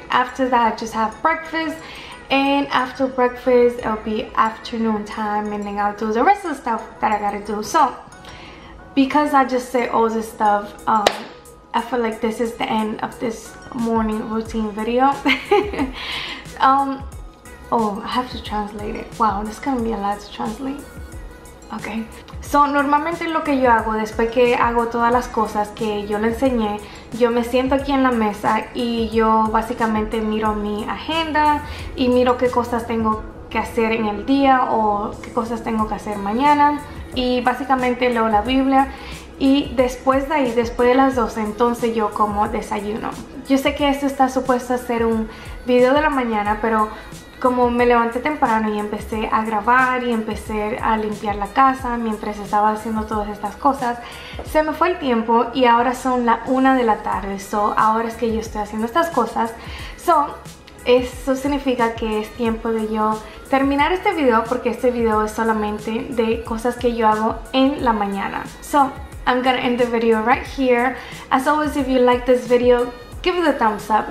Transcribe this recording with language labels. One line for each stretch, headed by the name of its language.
English: After that, I just have breakfast. And after breakfast, it'll be afternoon time, and then I'll do the rest of the stuff that I gotta do. So, because I just said all this stuff, I feel like this is the end of this morning routine video. I have to translate it. Wow, this is gonna be a lot to translate. Okay.
Spanish: So, normalmente lo que yo hago después que hago todas las cosas que yo le enseñé, yo me siento aquí en la mesa y yo básicamente miro mi agenda y miro qué cosas tengo que hacer en el día o qué cosas tengo que hacer mañana, y básicamente leo la Biblia, y después de ahí, después de las 12, entonces yo como desayuno. Yo sé que esto está supuesto a ser un video de la mañana, pero como me levanté temprano y empecé a grabar y empecé a limpiar la casa mientras estaba haciendo todas estas cosas, se me fue el tiempo y ahora son la 1 de la tarde. So, ahora es que yo estoy haciendo estas cosas. So, eso significa que es tiempo de yo terminar este video, porque este video es solamente de cosas que yo hago en la mañana.
English: So, I'm gonna end the video right here. As always, if you like this video, give it a thumbs up.